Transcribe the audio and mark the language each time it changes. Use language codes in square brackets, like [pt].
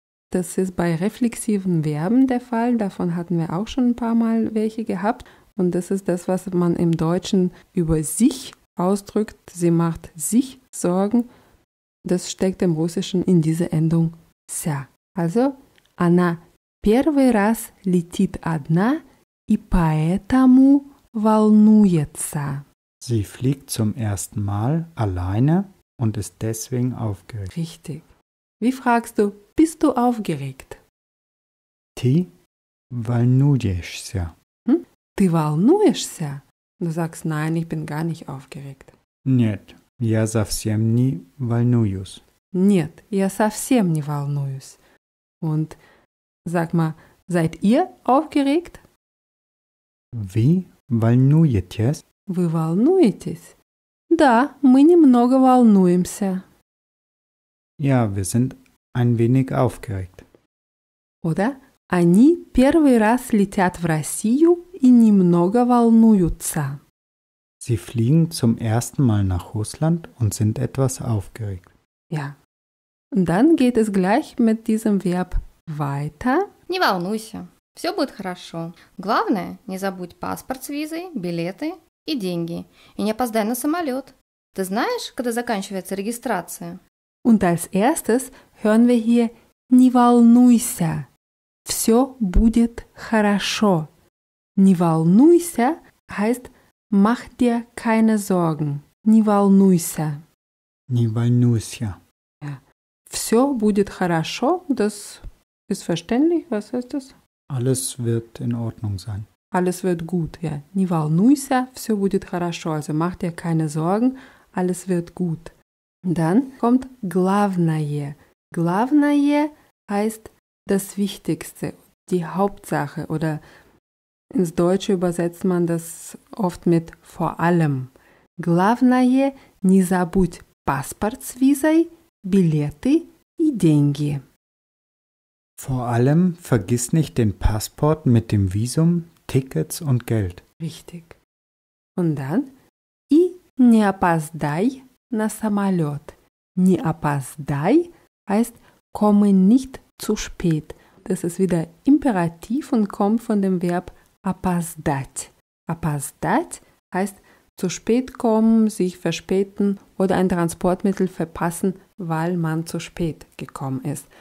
[de] Das ist bei reflexiven Verben der Fall. Davon hatten wir auch schon ein paar Mal welche gehabt. Und das ist das, was man im Deutschen über sich ausdrückt. Sie macht sich Sorgen. Das steckt im Russischen in diese Endung ся. [ru] Also, она первый раз летит одна и поэтому волнуется. [de] Sie fliegt zum ersten Mal alleine und ist deswegen aufgeregt. Richtig. Wie fragst du, bist du aufgeregt? [ru] Ты волнуешься. Ты волнуешься? [de] Du sagst, nein, ich bin gar nicht aufgeregt. [ru] Нет, я совсем не волнуюсь. Нет, я совсем не волнуюсь. [de] Und sag mal, seid ihr aufgeregt? [ru] Вы волнуетесь? Вы волнуетесь? Да, мы немного волнуемся. [de] Ja, wir sind ein wenig aufgeregt. [ru] Oder они первый раз летят в Россию и немного волнуются. [de] Sie fliegen zum ersten Mal nach Russland und sind etwas aufgeregt. Ja. Und dann geht es gleich mit diesem Verb weiter. [ru] Не волнуйся. Все будет хорошо. Главное, не забудь паспорт с визой, билеты и деньги. И не опоздай на самолет. Ты знаешь, когда заканчивается регистрация? [de] Und als erstes hören wir hier [ru] «Не волнуйся». Все будет хорошо. «Не волнуйся» [de] heißt «Mach dir keine Sorgen». [ru] «Не волнуйся». «Не волнуйся». [de] Ja. [ru] «Все будет хорошо» [de] das ist verständlich, was heißt das? Alles wird in Ordnung sein. Alles wird gut, ja. [ru] «Не волнуйся», «Все будет хорошо». [de] Also «Mach dir keine Sorgen», «Alles wird gut». Dann kommt «главное». «Главное» heißt «das Wichtigste», «die Hauptsache» oder ins Deutsche übersetzt man das oft mit «vor allem». [ru] «Главное» – «не забудь паспорт с визой, билеты и деньги». [de] Vor allem vergiss nicht den Passport mit dem Visum, Tickets und Geld. Richtig. Und dann [ru] «и не опоздай». На самолет. Не опоздай [de] heißt komme nicht zu spät. Das ist wieder imperativ und kommt von dem Verb опоздать. Опоздать heißt zu spät kommen, sich verspäten oder ein Transportmittel verpassen, weil man zu spät gekommen ist.